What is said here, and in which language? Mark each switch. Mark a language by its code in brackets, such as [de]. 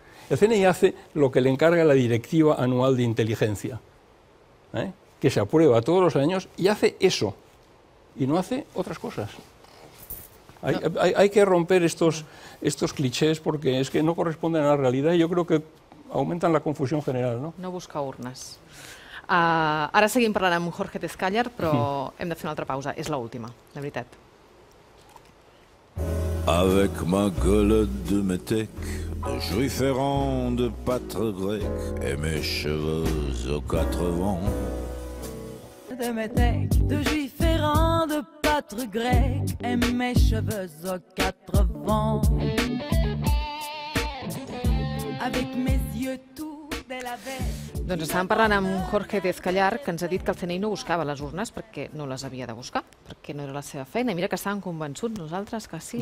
[es] El CNI hace lo que le encarga la Directiva Anual de Inteligencia, que se aprueba todos los años, y hace eso, y no hace otras cosas. Hay que romper estos clichés porque es que no corresponden a la realidad y yo creo que aumentan la confusión general. No, no busca urnas. [ca] Ara seguim parlant amb Jorge Tezcallar, però hem de fer una altra pausa. És l'última, la veritat. [fr] Avec ma gueule de métèque, juif errant de pâtre grec, et mes cheveux aux quatre vents. De métèque, de juif errant de pâtre grec, quatre grecs et mes cheveux aux quatre vents. Avec mes yeux tout de la veste. [ca] Doncs estàvem parlant amb Jorge Dezcallar, que ens ha dit que el CNI no buscava les urnes perquè no les havia de buscar, perquè no era la seva feina. Mira que estàvem convençuts nosaltres que sí.